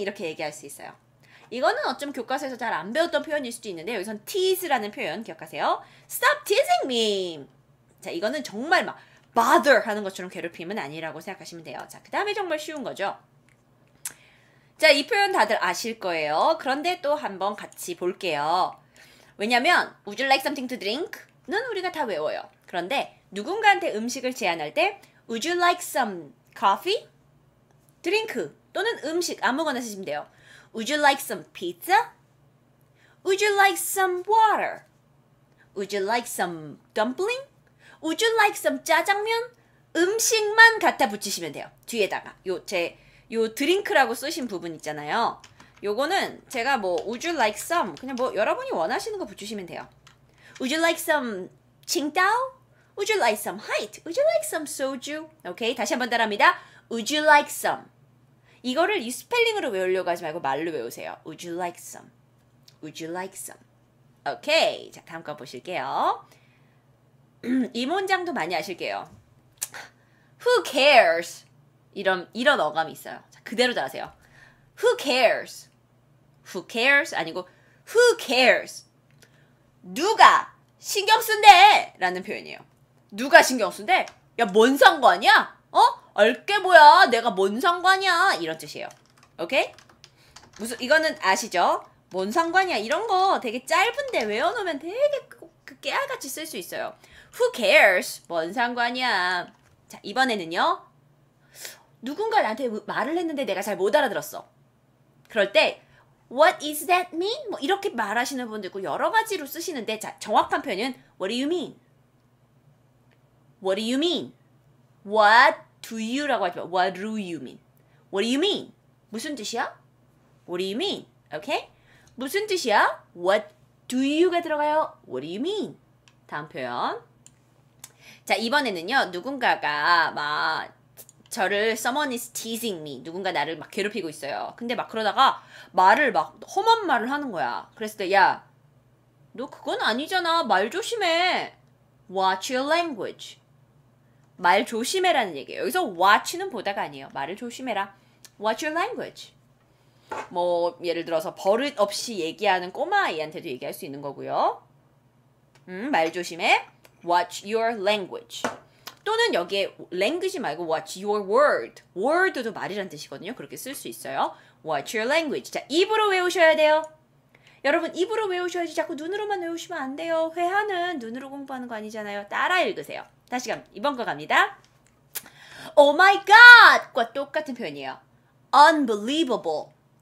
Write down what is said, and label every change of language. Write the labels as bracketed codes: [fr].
[ko] 이렇게 얘기할 수 있어요. 이거는 어쩜 교과서에서 잘 안 배웠던 표현일 수도 있는데 여기선 tease라는 표현 기억하세요. [en] Stop teasing me. [ko] 자, 이거는 정말 막 bother 하는 것처럼 괴롭힘은 아니라고 생각하시면 돼요. 자, 그 다음에 정말 쉬운 거죠. 자, 이 표현 다들 아실 거예요. 그런데 또 한번 같이 볼게요. 왜냐면 [en] Would you like something to drink? [ko] 는 우리가 다 외워요. 그런데 누군가한테 음식을 제안할 때 [en] Would you like some coffee? [ko] 드링크 또는 음식 아무거나 쓰시면 돼요. [en] Would you like some pizza? Would you like some water? Would you like some dumpling? Would you like some 짜장면? [ko] 음식만 갖다 붙이시면 돼요. 뒤에다가 요 드링크라고 쓰신 부분 있잖아요. 요거는 제가 뭐 [en] Would you like some [ko] 그냥 뭐 여러분이 원하시는 거 붙이시면 돼요. [en] Would you like some 칭따오? Would you like some height? Would you like some 소주? [ko] 오케이, 다시 한번 따라합니다. [en] Would you like some? [ko] 이거를 이 스펠링으로 외우려고 하지 말고 말로 외우세요. [en] Would you like some? Would you like some? 오케이. [ko] 자, 다음 거 보실게요. 이 문장도 많이 아실게요. [en] Who cares? [ko] 이런 어감이 있어요. 자, 그대로 따라하세요. [en] Who cares? Who cares? [ko] 아니고 [en] Who cares? [ko] 누가 신경 쓴대? 라는 표현이에요. 누가 신경 쓴대? 야, 뭔 상관이야? 어? 알 게 뭐야? 내가 뭔 상관이야? 이런 뜻이에요. 오케이? 무슨 이거는 아시죠? 뭔 상관이야? 이런 거 되게 짧은데 외워놓으면 되게 깨알같이 쓸 수 있어요. [en] Who cares? [ko] 뭔 상관이야? 자, 이번에는요. 누군가 나한테 말을 했는데 내가 잘 못 알아들었어. [en] 그럴 때 What is that mean? [ko] 뭐 이렇게 말하시는 분도 있고 여러 가지로 쓰시는데 자, 정확한 표현은 [en] What do you mean? What do you mean? What do you? [ko] 라고 하지 마. [en] What do you mean? What do you mean? [ko] 무슨 뜻이야? [en] What do you mean? Okay? 무슨 뜻이야? What do you가 들어가요? What do you mean? [ko] 다음 표현. 자, 이번에는요. 누군가가 막 저를 [en] someone is teasing me. [ko] 누군가 나를 막 괴롭히고 있어요. 근데 막 그러다가 말을 막 험한 말을 하는 거야. 그랬을 때 야, 너 그건 아니잖아. 말 조심해. [en] Watch your language. [ko] 말 조심해라는 얘기예요. 여기서 watch는 보다가 아니에요. 말을 조심해라. [en] Watch your language. [ko] 뭐 예를 들어서 버릇 없이 얘기하는 꼬마아이한테도 얘기할 수 있는 거고요. 말 조심해. [en] Watch your language. [ko] 또는 여기에 [en] language [ko] 말고 [en] watch your word. [ko] word도 말이란 뜻이거든요. 그렇게 쓸 수 있어요. [en] Watch your language. [ko] 자, 입으로 외우셔야 돼요. 여러분, 입으로 외우셔야지 자꾸 눈으로만 외우시면 안 돼요. 회화는 눈으로 공부하는 거 아니잖아요. 따라 읽으세요. 다시 이번 거 갑니다. [en] Oh my god! [ko] 과 똑같은 표현이에요. [en] Unbelievable.